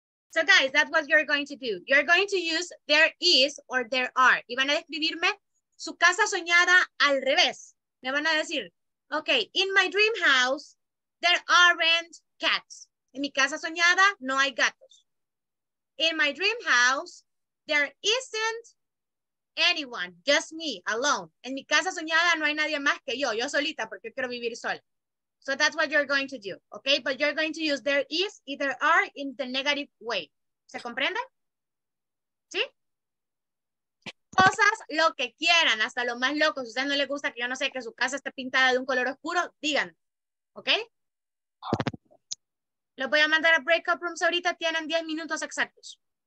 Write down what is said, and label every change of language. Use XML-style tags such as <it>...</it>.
<en>So guys, that's what you're going to do. You're going to use there is or there are.</en> <es>Y van a describirme su casa soñada al revés. Me van a decir,</es> <en>okay, in my dream house, there aren't cats.</en> <es>En mi casa soñada, no hay gatos.</es> <en>In my dream house, there isn't anyone, just me, alone.</en> <es>En mi casa soñada no hay nadie más que yo, yo solita, porque quiero vivir sola.</es> <en>So that's what you're going to do, okay? But you're going to use there is y there are in the negative way.</en> <es>¿Se comprende? ¿Sí? Cosas lo que quieran, hasta lo más loco. Si a usted no le gusta que yo no sé que su casa esté pintada de un color oscuro, digan, okay? Los voy a mandar a breakout rooms ahorita, tienen 10 minutos exactos.</es>